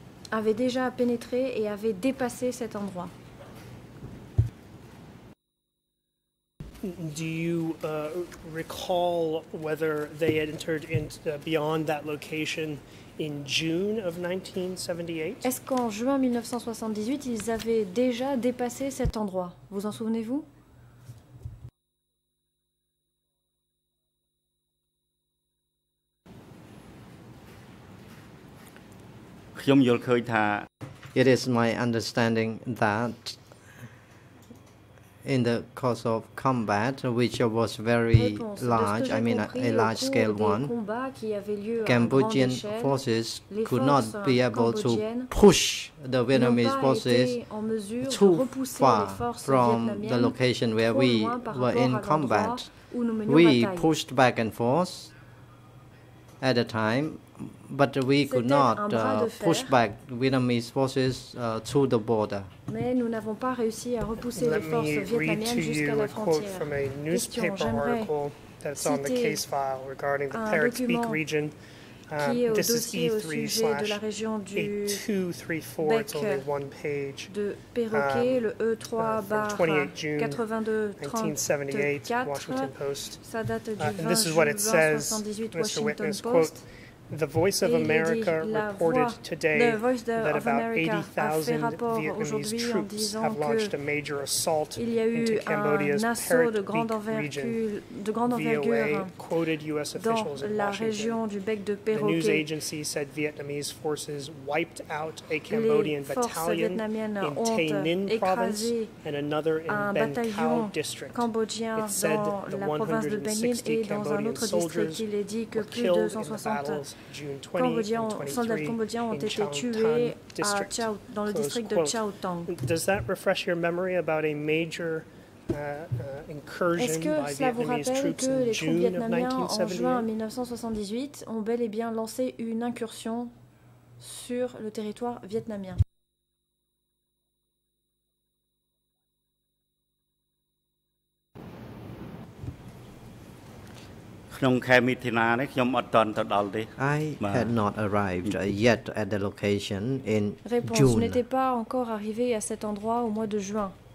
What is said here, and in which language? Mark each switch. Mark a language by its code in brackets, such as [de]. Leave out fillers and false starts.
[fr] avaient déjà pénétré et avaient dépassé cet endroit. [en] Do you recall whether they had entered beyond that location in June of 1978? [fr] Est-ce qu'en juin 1978, ils avaient déjà dépassé cet endroit? Vous en souvenez-vous? [en] It is my understanding that in the course of combat, which was very large, I mean a large scale one, Cambodian forces could not be able to push the Vietnamese forces too far from the location where we were in combat. We pushed back and forth at a time, but we could not push back Vietnamese forces to the border. [fr] Mais nous n'avons pas réussi à repousser les forces vietnamiennes jusqu'à la frontière. Question, j'aimerais citer un document qui est au dossier au sujet de la région du bec de perroquet, le E3/82/34, ça date du 20 juin 1978, Washington Post. [en] The Voice of America reported today that about 80,000 Vietnamese troops have launched a major assault into Cambodia's Parrot's Beak region. VOA quoted U.S. officials in Washington. The news agency said Vietnamese forces wiped out a Cambodian battalion in Tay Ninh province and another in Ben Khao district. It said that the 160 Cambodian soldiers were killed in the battles. [fr] Cambodgiens, soldats cambodgiens ont été tués dans le district de Chau Tang. [en] Does that refresh your memory about a major incursion by Vietnamese troops in June of 1978? [fr] En juin 1978, ont bel et bien lancé une incursion sur le territoire vietnamien. [en] I had not arrived yet at the location in [fr] réponse, [en] June. [fr] Je n'étais pas encore arrivé à cet endroit au mois de juin.